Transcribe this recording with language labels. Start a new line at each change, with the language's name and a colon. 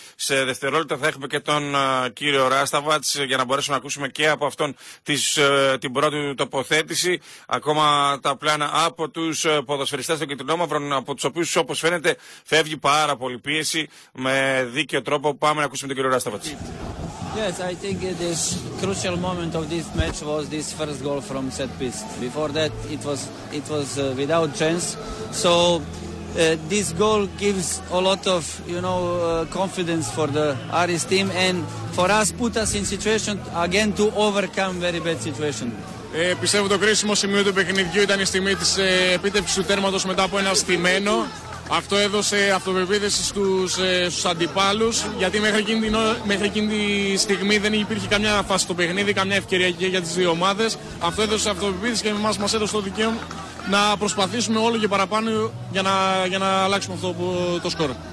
Greek: Σε δευτερόλεπτα θα έχουμε και τον κύριο Ράσταβατς για να μπορέσουμε να ακούσουμε και από αυτόν την πρώτη τοποθέτηση. Ακόμα τα πλάνα από τους ποδοσφαιριστές των Κιτρινόμαυρων, από τους οποίους όπως φαίνεται φεύγει πάρα πολύ πίεση με δίκαιο τρόπο. Πάμε να ακούσουμε τον κύριο Ράσταβατς.
English: Yes, I think this crucial moment of this match was this first goal from set piece. Before that it was without chance. So this goal gives a lot of, you know, confidence for the Aris team and for us put us in situation again to overcome very bad situation.
Greek: Πιστεύω το κρίσιμο σημείο του παιχνιδιού ήταν η στιγμή της επίτευξης του τέρματος μετά από ένα στημένο. Αυτό έδωσε αυτοπεποίθηση στους αντιπάλους, γιατί μέχρι εκείνη τη στιγμή δεν υπήρχε καμιά φάση στο παιχνίδι, καμιά ευκαιρία για τις δύο ομάδες. Αυτό έδωσε αυτοπεποίθηση και εμάς μας έδωσε το δικαίωμα να προσπαθήσουμε όλο και παραπάνω για να αλλάξουμε αυτό το σκορ.